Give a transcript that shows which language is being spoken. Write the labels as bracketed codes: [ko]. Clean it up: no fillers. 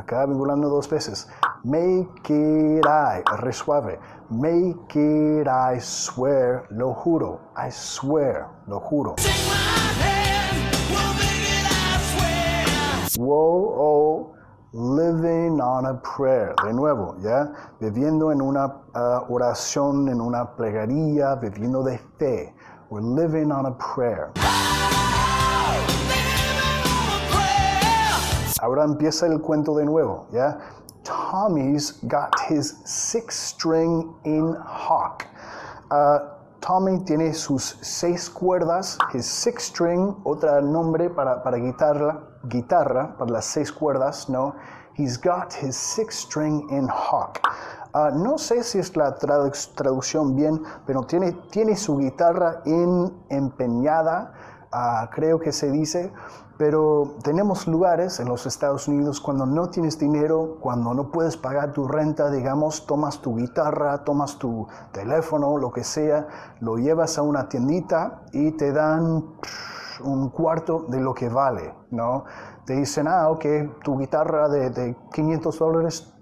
[es] Acá vinculando dos veces. [en] Make it, I, [es] re suave. [en] Make it, I swear, [es] lo juro, [en] I swear, lo juro. Take my hand, we'll make it, I swear. Whoa, oh, living on a prayer. [es] De nuevo, ¿ya? Viviendo en una oración, en una plegaria, viviendo de fe. [en] We're living on a prayer. Oh, living on a prayer. [es] Ahora empieza el cuento de nuevo, ¿ya? [en] Tommy's got his six string in hock. [es] Tommy tiene sus seis cuerdas, [en] his six string, [es] otro nombre para guitarra, para las seis cuerdas, ¿no? [en] He's got his six string in hock. [es] No sé si es la traducción bien, pero tiene su guitarra empeñada, creo que se dice. Pero tenemos lugares en los Estados Unidos cuando no tienes dinero, cuando no puedes pagar tu renta, digamos, tomas tu guitarra, tomas tu teléfono, lo que sea, lo llevas a una tiendita y te dan un cuarto de lo que vale, ¿no? Te dicen, ah, ok, tu guitarra de $500,